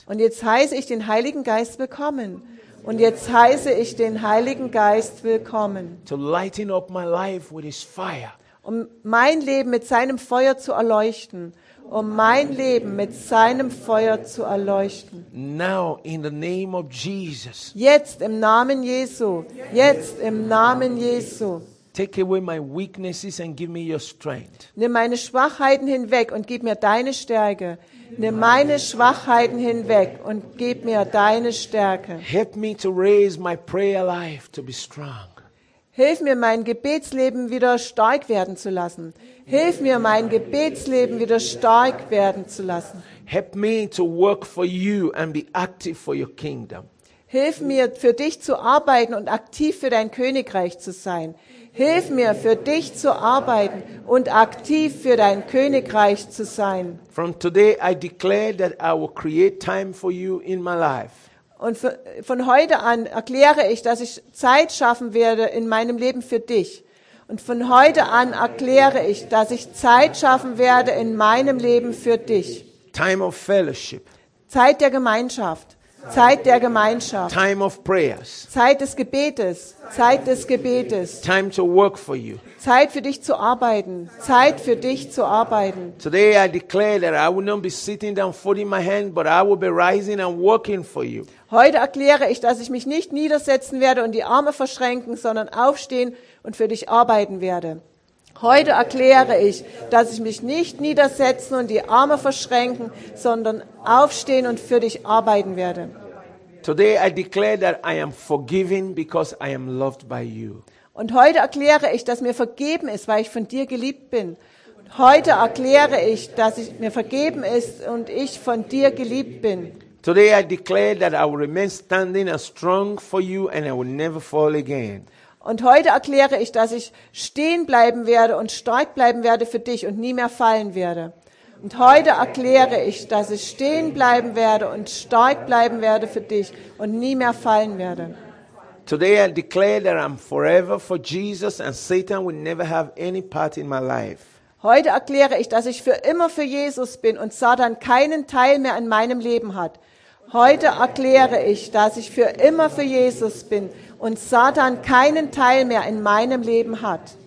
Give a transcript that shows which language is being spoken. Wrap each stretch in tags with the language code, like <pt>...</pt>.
<de>Und jetzt heiße ich den Heiligen Geist willkommen. Und jetzt heiße ich den Heiligen Geist willkommen.</de> <en>To lighten up my life with His fire.</en> <de>Um mein Leben mit seinem Feuer zu erleuchten. Um mein Leben mit seinem Feuer zu erleuchten.</de> <en>Now in the name of Jesus.</en> <de>Jetzt im Namen Jesu. Jetzt im Namen Jesu.</de> <en>Take away my weaknesses and give me your strength.</en> <de>Nimm meine Schwachheiten hinweg und gib mir deine Stärke. Nimm meine Schwachheiten hinweg und gib mir deine Stärke.</de> <en>Help me to raise my prayer life to be strong.</en> <de>Hilf mir, mein Gebetsleben wieder stark werden zu lassen. Hilf mir, mein Gebetsleben wieder stark werden zu lassen.</de> <en>Help me to work for you and be active for your kingdom.</en> <de>Hilf mir, für dich zu arbeiten und aktiv für dein Königreich zu sein. Hilf mir, für dich zu arbeiten und aktiv für dein Königreich zu sein.</de> <en>From today I declare that I will create time for you in my life.</en> <de>Und von heute an erkläre ich, dass ich Zeit schaffen werde in meinem Leben für dich. Und von heute an erkläre ich, dass ich Zeit schaffen werde in meinem Leben für dich.</de> <en>Time of fellowship.</en> <de>Zeit der Gemeinschaft. Zeit der Gemeinschaft.</de> <en>Time of prayers.</en> <de>Zeit des Gebetes. Zeit des Gebetes.</de> <en>Time to work for you.</en> <de>Zeit für dich zu arbeiten. Zeit für dich zu arbeiten.</de> <en>Today I declare that I will not be sitting down folding my hand, but I will be rising and working for you.</en> <de>Heute erkläre ich, dass ich mich nicht niedersetzen werde und die Arme verschränken, sondern aufstehen und für dich arbeiten werde. Heute erkläre ich, dass ich mich nicht niedersetzen und die Arme verschränken, sondern aufstehen und für dich arbeiten werde.</de> <en>Today I declare that I am forgiven because I am loved by you.</en> <de>Und heute erkläre ich, dass mir vergeben ist, weil ich von dir geliebt bin. Heute erkläre ich, dass ich mir vergeben ist und ich von dir geliebt bin.</de> <en>Today I declare that I will remain standing and strong for you and I will never fall again.</en> <de>Und heute erkläre ich, dass ich stehen bleiben werde und stark bleiben werde für dich und nie mehr fallen werde. Und heute erkläre ich, dass ich stehen bleiben werde und stark bleiben werde für dich und nie mehr fallen werde.</de> <en>Today I declare that I'm forever for Jesus and Satan will never have any part in my life.</en> <de>Heute erkläre ich, dass ich für immer für Jesus bin und Satan keinen Teil mehr in meinem Leben hat. Heute erkläre ich, dass ich für immer für Jesus bin und Satan keinen Teil mehr in meinem Leben hat.</de>